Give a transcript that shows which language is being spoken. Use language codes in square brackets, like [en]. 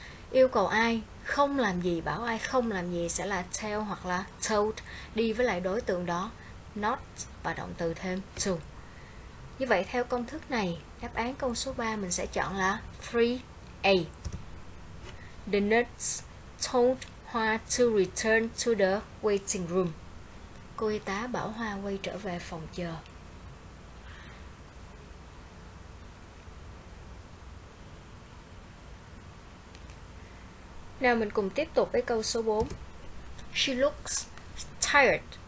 [vi] Yêu cầu ai không làm gì bảo ai không làm gì sẽ là tell hoặc là told đi với lại đối tượng đó, not và động từ thêm to. Như vậy theo công thức này, đáp án câu số 3 mình sẽ chọn là 3A. [en] The nurse told Hoa to return to the waiting room. [vi] Cô y tá bảo Hoa quay trở về phòng chờ. Nào mình cùng tiếp tục với câu số 4. [en] She looks tired.